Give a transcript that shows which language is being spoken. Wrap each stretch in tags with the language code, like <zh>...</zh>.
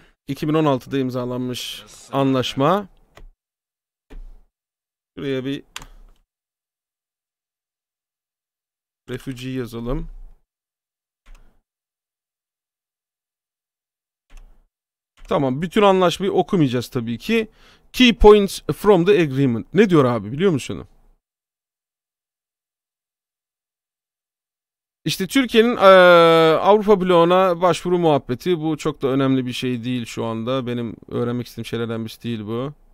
<tr>2016'da imzalanmış anlaşma. Şuraya bir refüji yazalım. Tamam, bütün anlaşmayı okumayacağız tabii ki.</tr> <en>Key points from the agreement.</en> <tr>Ne diyor abi biliyor musun? İşte Türkiye'nin Avrupa bloğuna başvuru muhabbeti. Bu çok da önemli bir şey değil şu anda. Benim öğrenmek istediğim şeylerden birisi değil bu.</tr>